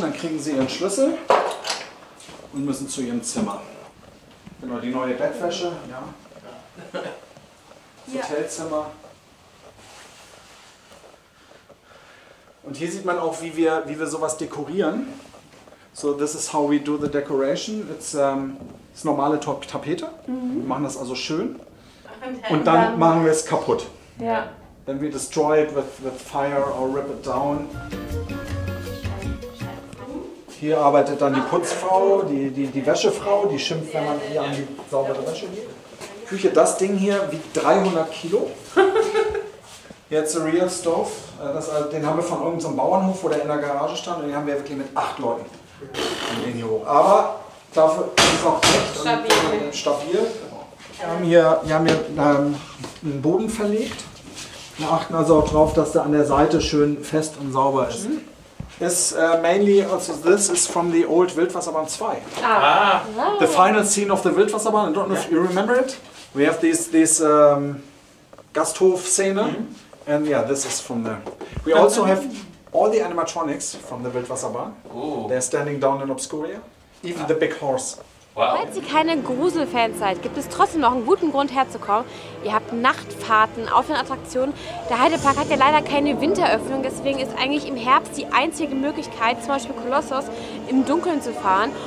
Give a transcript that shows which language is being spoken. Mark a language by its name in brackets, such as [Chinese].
[German] Dann kriegen sie ihren Schlüssel und müssen zu ihrem Zimmer. Genau, die neue Bettwäsche. Ja. Das Hotelzimmer. Und hier sieht man auch, wie wir sowas dekorieren. [English] So, this is how we do the decoration. [German] It's das normale Tapete. Mhm. Wir machen das also schön. Und dann machen wir es kaputt. Ja. [English] then we destroy it with fire or rip it down. [German] Hier arbeitet dann die Putzfrau, die Wäschefrau, die schimpft, wenn man hier an die saubere Wäsche geht. Küche, das Ding hier wiegt 300 Kilo. Jetzt eine Real Stove, den haben wir von irgendeinem Bauernhof, wo der in der Garage stand, und den haben wir wirklich mit 8 Leuten. Den hier hoch. Aber dafür ist es auch recht stabil. Wir haben hier einen Boden verlegt. Wir achten also auch darauf, dass der an der Seite schön fest und sauber ist. [English] Is mainly also this is from the old Wildwasserbahn 2. Ah. The final scene of the Wildwasserbahn, I don't know if you remember it. We have this Gasthof Szene. Mm-hmm. And yeah, this is from there. We also have all the animatronics from the Wildwasserbahn. Ooh. They're standing down in Obscuria. Even the big horse. Wow. [German] Falls ihr keine Gruselfans seid, gibt es trotzdem noch einen guten Grund herzukommen. Ihr habt Nachtfahrten auf den Attraktionen. Der Heidepark hat ja leider keine Winteröffnung, deswegen ist eigentlich im Herbst die einzige Möglichkeit, zum Beispiel Kolossos, im Dunkeln zu fahren.